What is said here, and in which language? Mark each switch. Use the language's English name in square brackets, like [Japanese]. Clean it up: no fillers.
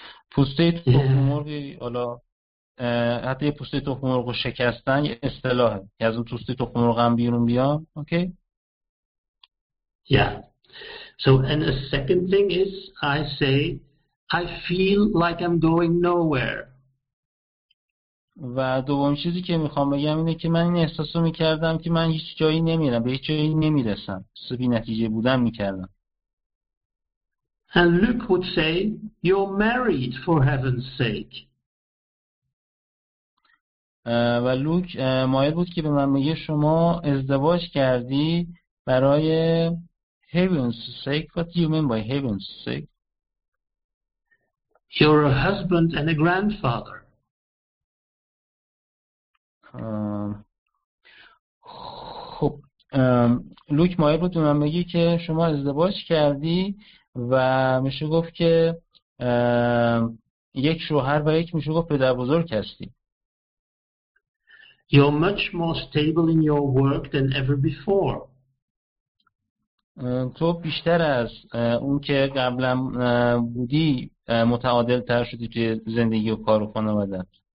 [Persian] پوسته تخم‌مرغ، حالا حتی یه پوسته تخم مرغ رو شکستن یه اصطلاحه که از اون پوسته تخم مرغ هم بیرون بیام. اوکی؟ [English] Yeah. So and a second thing is I say I feel like I'm going nowhere. [Persian] و دوم چیزی که میخوام بگم اینه که من این احساس رو میکردم که من هیچ جایی نمیرم، به هیچ جایی نمیرسم، سبی نتیجه بودم میکردم. [English] And Luke would say you're married for heaven's sake. [Persian] و لوک مایل بود که به من میگه شما ازدواج کردی برای [English] heaven's sake. What do you mean by heaven's sake? You're a husband and a grandfather. [Persian] خب لوک مایل بود به من میگه که شما ازدواج کردی و میشه گفت که یک شوهر و یک میشه گفت پدر بزرگ هستی. [English] You're much more stable in your work than ever before. [Persian] تو بیشتر از اون که قبلا بودی متعادل تر شدی توی زندگی و کار و خانواده‌ات.